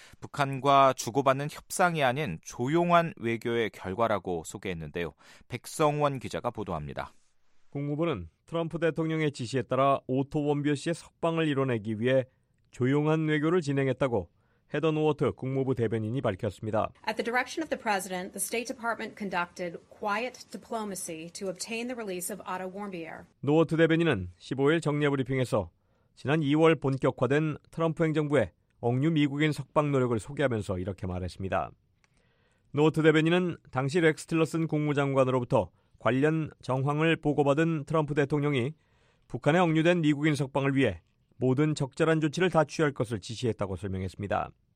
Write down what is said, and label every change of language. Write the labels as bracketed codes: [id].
[ko] 북한과 주고받는 협상이 아닌 조용한 외교의 결과라고 소개했는데요. 백성원 기자가 보도합니다. 국무부는 트럼프 대통령의 지시에 따라 오토 원비어 씨의 석방을 이뤄내기 위해 조용한 외교를 진행했다고 헤던 워터 국무부 대변인이 밝혔습니다. [en] At the direction of the president, the State Department conducted quiet diplomacy to obtain the release of Otto Warmbier. [ko] 노워트 대변인은 15일 정례 브리핑에서 지난 2월 본격화된 트럼프 행정부의 억류 미국인 석방 노력을 소개하면서 이렇게 말했습니다. 노워트 대변인은 당시 렉스 틸러슨 국무장관으로부터 관련 정황을 보고받은 트럼프 대통령이 북한에 억류된 미국인 석방을 위해 모든 적절한 조치를 다 취할 것을 지시했다고 설명했습니다.